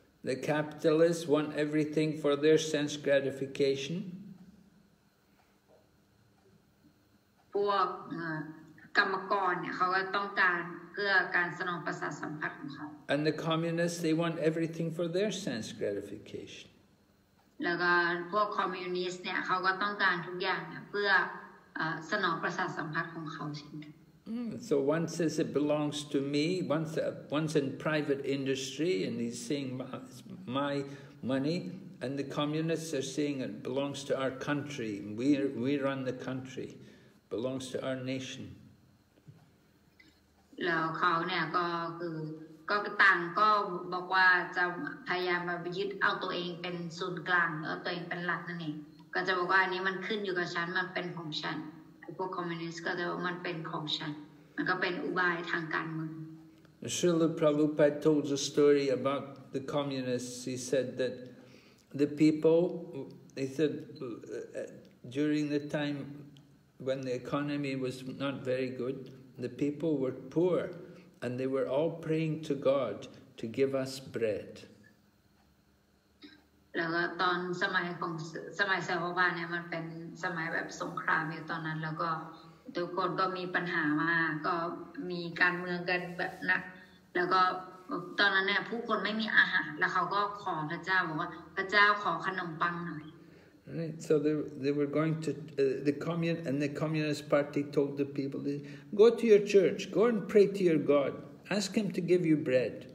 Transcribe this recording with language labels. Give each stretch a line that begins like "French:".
English: The capitalists want everything for their sense gratification
Thai: พวกกรรมกรเนี่ยเขาก็ต้องการเพื่อการสนองประสาทสัมผัสของเขา
English: And the communists they want everything for their sense gratification
Thai: แล้วก็พวกคอมมิวนิสต์เนี่ยเขาก็ต้องการทุกอย่างเพื่อสนองประสาทสัมผัสของเขาเช่นกัน
English: So once as it belongs to me, once in private industry, and he's seeing my money, and the communists are seeing it belongs to our country. We run the country, belongs to our nation.
Thai: แล้วเขาเนี่ยก็ต่างก็บอกว่าจะพยายามมายึดเอาตัวเองเป็นศูนย์กลางเอาตัวเองเป็นหลักนั่นเองก็จะบอกว่าอันนี้มันขึ้นอยู่กับฉันมันเป็นของฉันพวกคอมมิวนิสต์ก็จะว่ามันเป็นของฉันมันก็เป็นอุบายทางการเมือง
English: Shrila Prabhupada told a story about the communists. He said that the people, he said, during the time when the economy was not very good, the people were poor, and they were all praying to God to give us bread.
Thai: แล้วก็ตอนสมัยของสมัยสหภาพเนี่ยมันเป็นสมัยแบบสงครามอยู่ตอนนั้นแล้วก็ทุกคนก็มีปัญหามาก็มีการเมืองกันแบบนักแล้วก็ตอนนั้นเนี่ยผู้คนไม่มีอาหารแล้วเขาก็ขอพระเจ้าบอกว่าพระเจ้าขอขนมปังหน่อย
English: Right. So they were going to the commune and the communist party told the people go to your church go and pray to your God ask him to give you bread